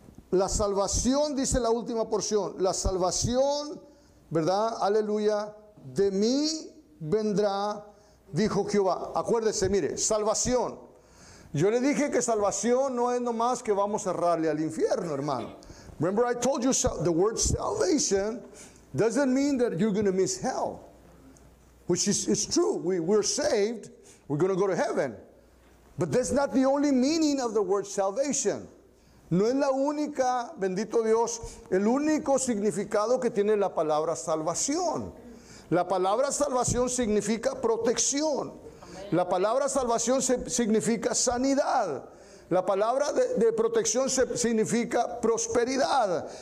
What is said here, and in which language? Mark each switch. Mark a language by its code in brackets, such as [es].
[es] La salvación, dice la última porción, la salvación, ¿verdad? Aleluya, de mí vendrá, dijo Jehová. Acuérdese, mire, salvación. Yo le dije que salvación no es nomás que vamos a cerrarle al infierno, hermano. [en] Remember I told you the word salvation doesn't mean that you're going to miss hell. Which is true. We're saved. We're going to go to heaven. But that's not the only meaning of the word salvation. [es] No es la única, bendito Dios, el único significado que tiene la palabra salvación. La palabra salvación significa protección. La palabra salvación significa sanidad. La palabra de protección significa prosperidad.